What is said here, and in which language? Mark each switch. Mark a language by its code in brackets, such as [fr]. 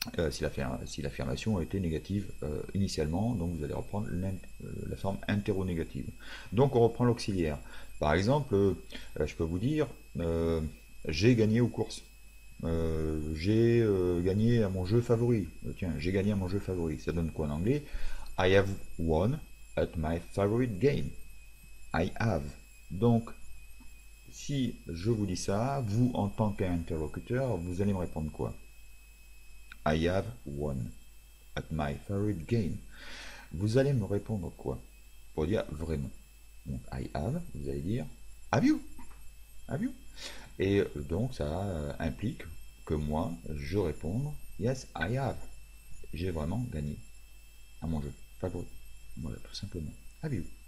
[fr] Si l'affirmation était négative initialement, donc vous allez reprendre la forme interro-négative. Donc on reprend l'auxiliaire. Par exemple, je peux vous dire j'ai gagné aux courses. J'ai gagné à mon jeu favori. Tiens, j'ai gagné à mon jeu favori. Ça donne quoi en anglais? [en] I have won at my favorite game. I have. [fr] Donc, si je vous dis ça, vous, en tant qu'interlocuteur, vous allez me répondre quoi? [en] I have won at my favorite game. [fr] Vous allez me répondre quoi? Pour dire vraiment. Donc, [en] I have, [fr] vous allez dire, [en] have you? Have you? [fr] Et donc, ça implique que moi, je réponde, [en] yes, I have. [fr] J'ai vraiment gagné à mon jeu favori. Voilà, tout simplement. [en] Have you?